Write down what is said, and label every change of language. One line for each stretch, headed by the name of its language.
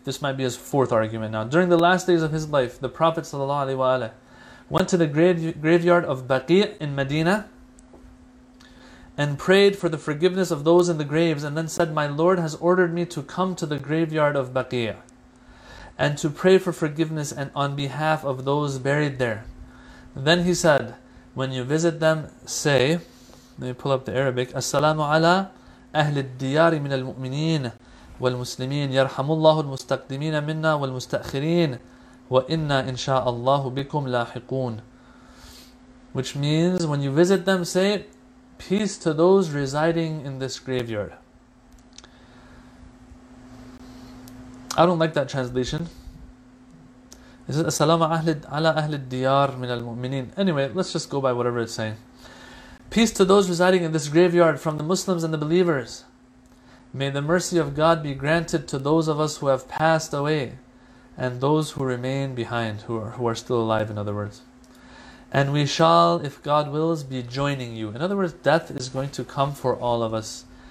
English: This might be his fourth argument now. During the last days of his life, the Prophet ﷺ went to the graveyard of Baqi' in Medina and prayed for the forgiveness of those in the graves and then said, my Lord has ordered me to come to the graveyard of Baqi' and to pray for forgiveness and on behalf of those buried there. Then he said, when you visit them, say, let me pull up the Arabic, As-salamu ala
Arabic: أهل الديار من المؤمنين والمسلمين يرحم الله المستقدمين منا والمستأخرين وإنا إن شاء الله بكم لاحقون.
English: Which means, when you visit them, say, peace to those residing in this graveyard. I don't like that translation. It says,
Arabic: السلام على أهل الديار من المؤمنين.
English: Anyway, let's just go by whatever it's saying. Peace to those residing in this graveyard from the Muslims and the believers. May the mercy of God be granted to those of us who have passed away and those who remain behind, who are still alive, in other words. And we shall, if God wills, be joining you. In other words, death is going to come for all of us.